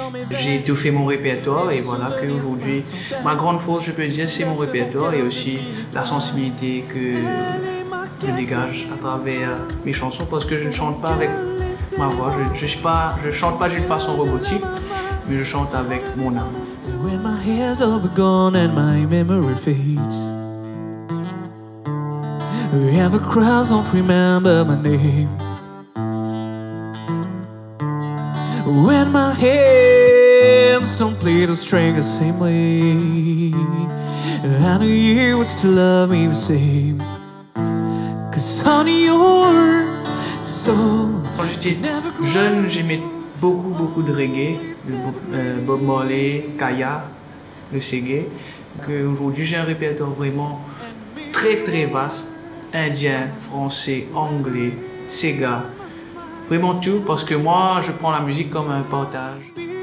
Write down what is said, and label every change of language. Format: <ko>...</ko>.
<fr>J'ai étoffé mon répertoire et voilà qu'aujourd'hui, ma grande force, je peux dire, c'est mon répertoire et aussi la sensibilité que je dégage à travers mes chansons parce que je ne chante pas avec ma voix. Je chante pas d'une façon robotique, mais je chante avec mon âme.</fr> <en>When my hair's all gone and my memory fades, wherever crowds don't remember my name, when my hands don't play the string the same way, I knew you would still love me the same. Cause honey, your soul.</en> <fr>Quand j'étais jeune, j'aimais beaucoup de reggae, Bob Marley, Kaya, le Ségué. Aujourd'hui, j'ai un répertoire vraiment très très vaste. Indien, français, anglais, Sega, vraiment tout, parce que moi, je prends la musique comme un partage.</fr>